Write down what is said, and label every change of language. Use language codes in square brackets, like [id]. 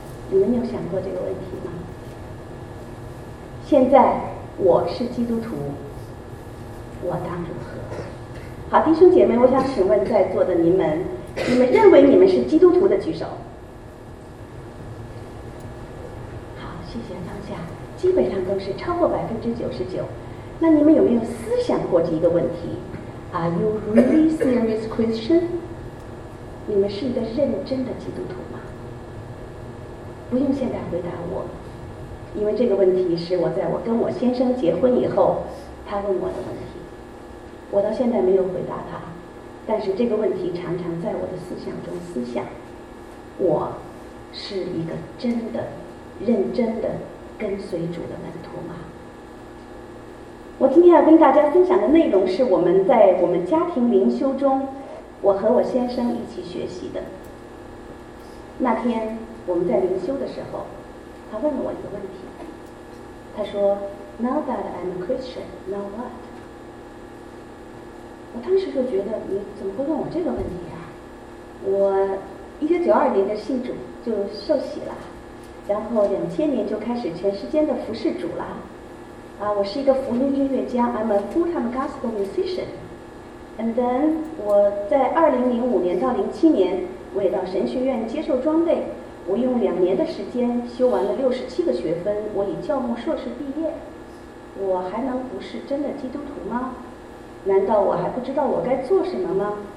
[zh] 你们有想过这个问题吗？现在我是基督徒，我当如何？好，弟兄姐妹，我想请问在座的您们，你们认为你们是基督徒的举手。好，谢谢放下，基本上都是超过99%。那你们有没有思想过这一个问题？ [en] Are you really serious Christian? [zh] 你们是一个认真的基督徒吗？不用现在回答我，因为这个问题是我在我跟我先生结婚以后他问我的问题，我到现在没有回答他。但是这个问题常常在我的思想中思想，我是一个真的认真的跟随主的门徒吗？我今天要跟大家分享的内容是我们在我们家庭灵修中我和我先生一起学习的。那天我们在灵修的时候，他问了我一个问题，他说 [en] Now that I'm a Christian, now what? [zh] 我当时就觉得你怎么会问我这个问题啊，我1992年的信主就受洗了，然后2000年就开始全时间的服侍主了。我是一个福音音乐家 ， [en] I'm a full-time gospel musician。 And then [zh] 我在2005年到2007年，我也到神学院接受装备。我用2年的时间修完了67个学分，我以教牧硕士毕业。我还能不是真的基督徒吗？难道我还不知道我该做什么吗？